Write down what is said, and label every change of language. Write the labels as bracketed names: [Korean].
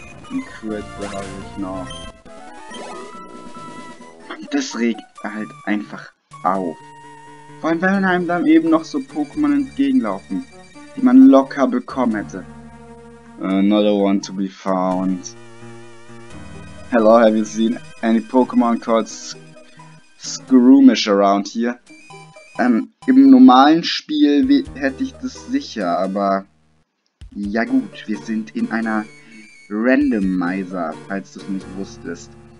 [German] Ein Quitze habe ich noch. Das regt halt einfach auf. Vor allem, wenn einem dann eben noch so Pokémon entgegenlaufen, die man locker bekommen hätte. [English] Another one to be found. Hello, have you seen any Pokémon called Skroomish around here? [German] Im normalen Spiel hätte ich das sicher, aber... Ja gut, wir sind in einer Randomizer, falls du es nicht wusstest.